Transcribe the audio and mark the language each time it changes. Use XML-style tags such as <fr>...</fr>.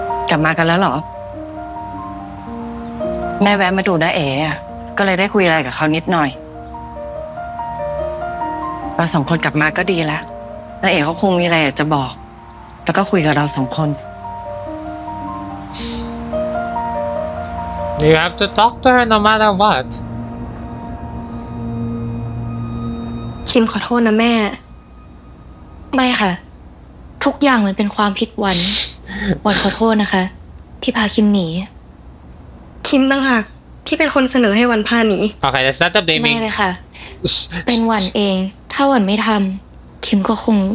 <th>กลับมากันแล้วเหรอแม่แวะมาดูน้าเอ๋อ่ะก็เลยได้คุยอะไรกับเขานิดหน่อยเราสองคนกลับมาก็ดีแล้วน้าเอ๋เขาคงมีอะไรอยากจะบอกแล้วก็คุยกับเราสองคน</th> <en>You have to talk to her no matter what</en> <th>คิมขอโทษนะแม่ไม่ค่ะทุกอย่างมันเป็นความผิดหวังหวันขอโทษนะคะที่พาคิมหนีคิมต่างหากที่เป็นคนเสนอให้หวันพาหนี โอเคแต่</th> <en>สตาร์ทเดอะเบบี้</en> <th>ไม่เลยค่ะเป็นหวันเองถ้าหวันไม่ทำคิมก็คง</th>